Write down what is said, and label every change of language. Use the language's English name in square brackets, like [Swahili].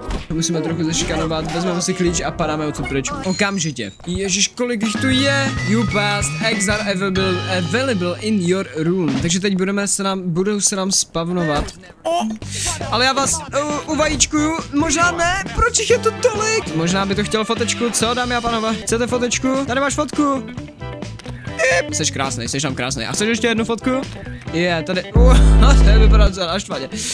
[Czech] Musíme trochu zeškanovat, vezmeme si klíč a padáme odsud pryč. Okamžitě. Ježiš, kolik jich tu je? [English] You passed, eggs are available in your room. [Czech] Takže teď budou se nám spavnovat. Ale já vás uvajíčkuju, možná ne, proč jich je tu tolik? Možná by to chtělo fotečku, co dámy a pánové? Chcete fotečku? Tady máš fotku. Jseš krásnej, jseš tam krásnej. A chceš ještě jednu fotku? Je, yeah, tady, to je vypadá docela naštvaně.